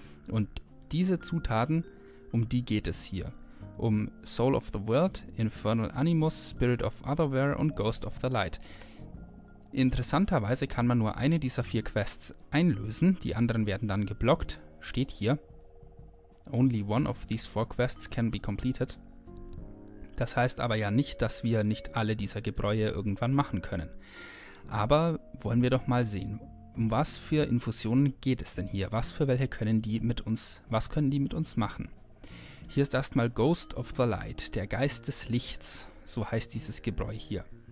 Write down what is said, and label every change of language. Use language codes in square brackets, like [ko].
[de] Und diese Zutaten, um die geht es hier. Um Soul of the World, Infernal Animus, Spirit of Otherware und Ghost of the Light. Interessanterweise kann man nur eine dieser vier Quests einlösen, die anderen werden dann geblockt, steht hier. [en] Only one of these four quests can be completed. [de] Das heißt aber ja nicht, dass wir nicht alle dieser Gebräue irgendwann machen können. Aber wollen wir doch mal sehen, um was für Infusionen geht es denn hier? Was können die mit uns machen? Hier ist erstmal Ghost of the Light, der Geist des Lichts, so heißt dieses Gebräu hier.